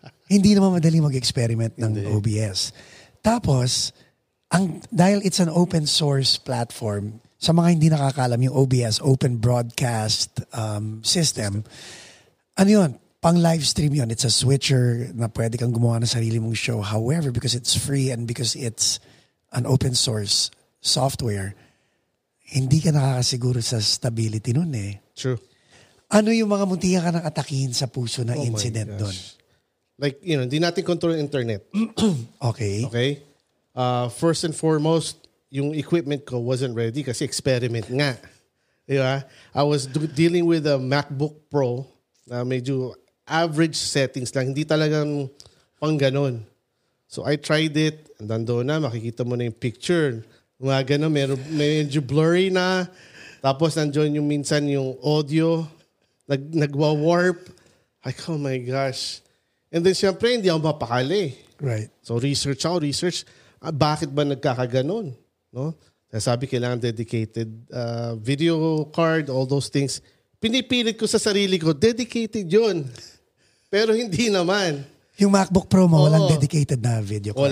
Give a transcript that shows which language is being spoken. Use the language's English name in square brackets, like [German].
[Filipino] Hindi naman madali mag-experiment ng Hindi. OBS. Tapos, dahil [English] it's an open source platform, [Filipino] sa mga hindi nakakalam, yung OBS, Open Broadcast System, ano yun? Pang live stream yun. [English] It's a switcher [Filipino] na pwede kang gumawa ng sarili mong show. [English] However, because it's free and because it's an open source software, [Filipino] hindi ka nakakasiguro sa stability nun eh. [English] True. [Filipino] Ano yung mga muntik ka nang atakihin sa puso na incident doon? [English] Like, you know, [Filipino] di natin [English] control yung internet. Okay. Okay. First and foremost, yung equipment ko wasn't ready kasi experiment nga. [Filipino] Diba? [English] I was dealing with a MacBook Pro na medyo average settings lang. [Filipino] Hindi talagang pang ganun. [English] So I tried it. [Filipino] Andando na, makikita mo na yung picture. Mga ganun, medyo blurry na. Tapos nandiyan yung minsan yung audio. Nagwa-warp. [English] Like, oh my gosh. And then [Filipino] siyempre, hindi ako mapakali. [English] Right. [Filipino] So research ako, research. Bakit ba nagkakaganon? No? Sabi, kailangan dedicated video card, all those things. Pinipilit ko sa sarili ko, dedicated yun. Pero hindi naman. Yung MacBook Pro mo, walang dedicated na video card.